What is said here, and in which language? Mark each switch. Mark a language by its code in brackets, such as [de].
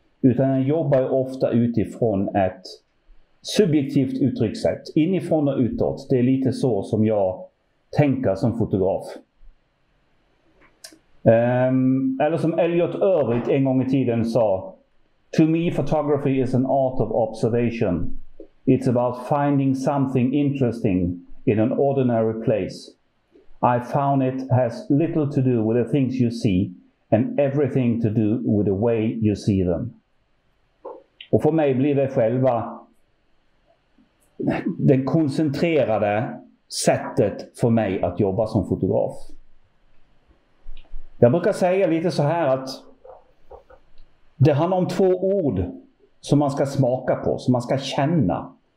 [sv] Utan jag jobbar ju ofta utifrån ett subjektivt uttryckssätt. Inifrån och utåt. Det är lite så som jag tänker som fotograf. Eller som Elliot Erwitt en gång i tiden sa. [en] To me photography is an art of observation. It's about finding something interesting in an ordinary place. I found it has little to do with the things you see and everything to do with the way you see them. [sv] Och för mig blir det själva den koncentrerade sättet för mig att jobba som fotograf. Jag brukar säga lite så här att det handlar om två ord som man ska smaka på, som man ska känna.